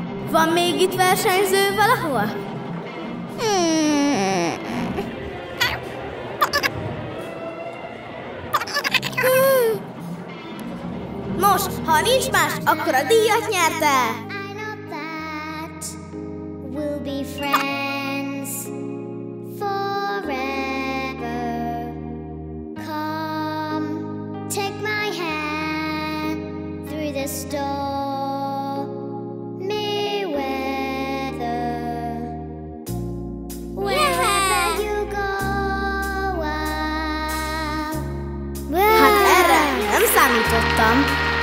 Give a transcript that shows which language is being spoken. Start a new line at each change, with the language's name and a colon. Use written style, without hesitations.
Hungarian: Van még itt versenyző valahol? Nos, ha nincs más, akkor a díjat nyerte!
English: I know that we'll be friends forever. Come, take my hand through the stormy weather. Wherever you go,
Hungarian: erre nem számítottam.